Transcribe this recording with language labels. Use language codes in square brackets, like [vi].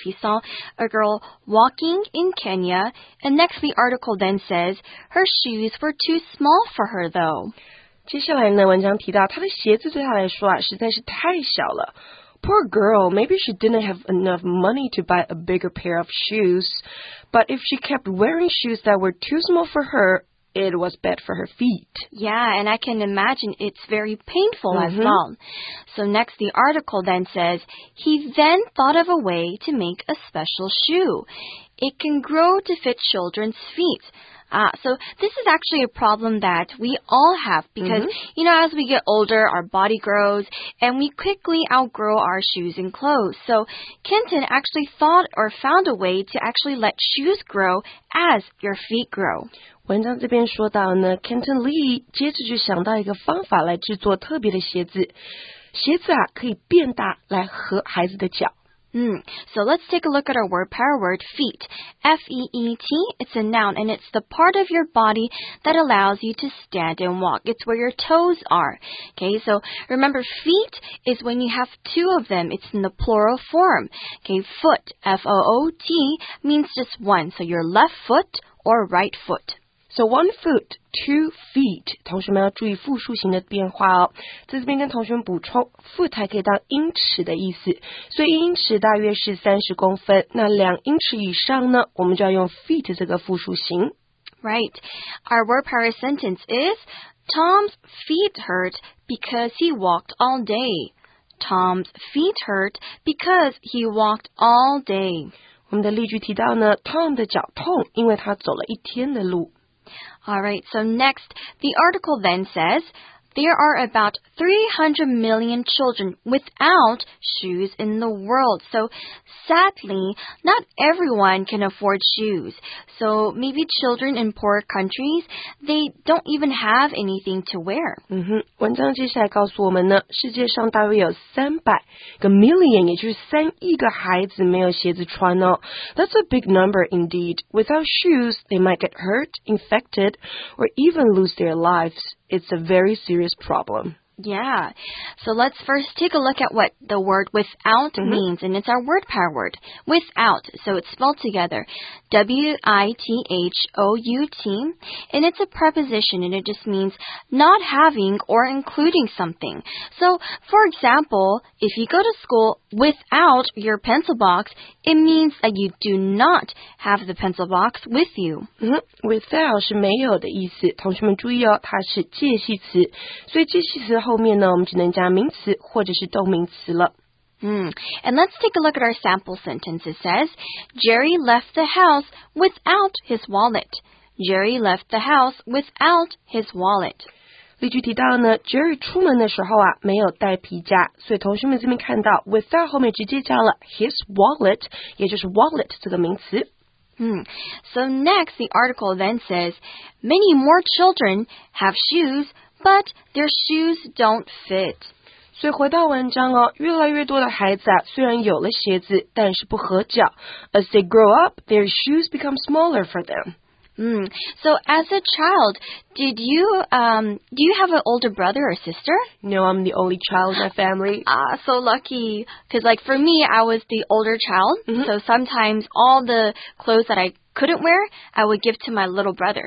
[en] He saw a girl walking in Kenya, and next the article then says, her shoes were too small for her, though. [zh] 接下来呢，文章提到她的鞋子对她来说啊，实在是太小了。 [en] Poor girl, maybe she didn't have enough money to buy a bigger pair of shoes, but if she kept wearing shoes that were too small for her,It was bad for her feet. Yeah, and I can imagine it's very painful as well. So next, the article then says, he then thought of a way to make a special shoe. It can grow to fit children's feet. So this is actually a problem that we all have because, you know, as we get older, our body grows and we quickly outgrow our shoes and clothes. So Kenton actually thought or found a way to actually let shoes grow as your feet grow. [zh] 文章这边说到呢， Kenton Lee 接着就想到一个方法来制作特别的鞋子。鞋子啊，可以变大来合孩子的脚。 [en] So let's take a look at our word pair word feet. F-E-E-T, it's a noun, and it's the part of your body that allows you to stand and walk. It's where your toes are. Okay, so remember, feet is when you have two of them. It's in the plural form. Okay, foot, F-O-O-T, means just one. So your left foot or right foot. So one foot, two feet. [zh] 同学们要注意复数型的变化哦。在这边跟同学们补充， foot 还可以当英尺的意思。所以英尺大约是30公分。那两英尺以上呢，我们就要用 feet 这个复数型。 [en] Right. Our word pair sentence is, Tom's feet hurt because he walked all day. Tom's feet hurt because he walked all day. [zh] 我们的例句提到呢， Tom 的脚痛因为他走了一天的路。 [en] All right, so next, the article then says, there are about 300 million children without shoes in the world. So, sadly, not everyone can afford shoes. So, maybe children in poor countries, they don't even have anything to wear. [zh] 文章接下来告诉我们呢，世界上大约有 [en] 300 million, [zh] 也就是3亿个孩子没有鞋子穿哦。 [en] That's a big number indeed. Without shoes, they might get hurt, infected, or even lose their lives. It's a very serious problem. Yeah. So let's first take a look at what the word without means, and it's our word power word. Without, so it's spelled together, W-I-T-H-O-U-T, and it's a preposition, and it just means not having or including something. So, for example, if you go to school without your pencil box, it means that you do not have the pencil box with you. [zh] Without 是没有的意思，同学们注意哦，它是介系词，所以介系词后面呢，我们只能加名词或者是动名词了。 [en] And let's take a look at our sample sentence. It says, Jerry left the house without his wallet. Jerry left the house without his wallet. [zh] 例句提到呢 ，Jerry 出门的时候啊，没有带皮夹，所以同学们这边看到 without 后面直接加了 [en] his wallet， [zh] 也就是 wallet 这个名词。 [en] So next, the article then says, many more children have shoes. But their shoes don't fit. [zh] 所以回到文章哦，越来越多的孩子啊，虽然有了鞋子，但是不合脚。 [en] As they grow up, their shoes become smaller for them. So as a child, do you have an older brother or sister? No, I'm the only child in my family. Ah, so lucky. Because like for me, I was the older child. Mm-hmm. So sometimes all the clothes that I couldn't wear, I would give to my little brother.